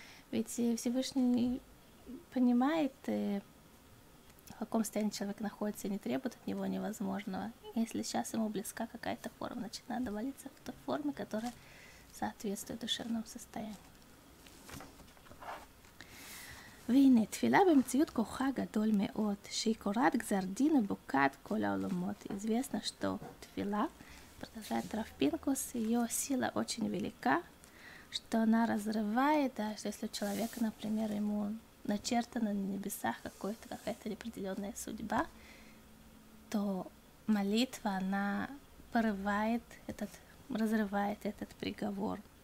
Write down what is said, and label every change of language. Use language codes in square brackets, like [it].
[ru] Ведь Всевышний понимает, в каком состоянии человек находится и не требует от него невозможного. Если сейчас ему близка какая-то форма, значит, надо молиться в той форме, которая соответствует душевному состоянию. [he] והנה, תפילה במציאות כוחה גדול מאוד, שהיא קוראת גזר דין ובוקעת כל העולמות. [ru] известно, что תפילה, продолжает Рав Пинкус, ее сила очень велика, что она разрывает, да, что если у человека, например, ему начертана на небесах какая-то определенная судьба, то молитва, она порывает этот, разрывает этот приговор.